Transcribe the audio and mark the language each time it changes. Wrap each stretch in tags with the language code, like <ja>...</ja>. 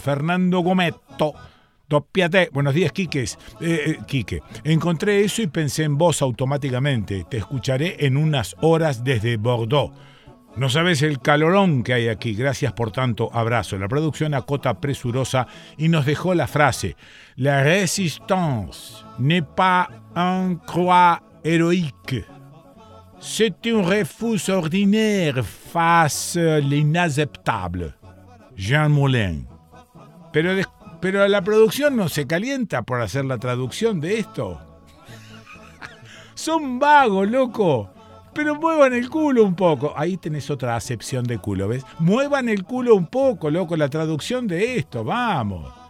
<es>Fernando Gometto. Topiate. Buenos días, Quiques. Quique, encontré eso y pensé en vos automáticamente. Te escucharé en unas horas desde Bordeaux. No sabes el calorón que hay aquí. Gracias por tanto. Abrazo. La producción acota presurosa y nos dejó la frase.</es> <fr>La résistance n'est pas un croix héroïque. C'est un refus ordinaire face à l'inacceptable. Jean Moulin.</fr> <es>Pero la producción no se calienta por hacer la traducción de esto. Son vagos, loco. Pero muevan el culo un poco. Ahí tenés otra acepción de culo, ¿ves? Muevan el culo un poco, loco, la traducción de esto. Vamos.</es>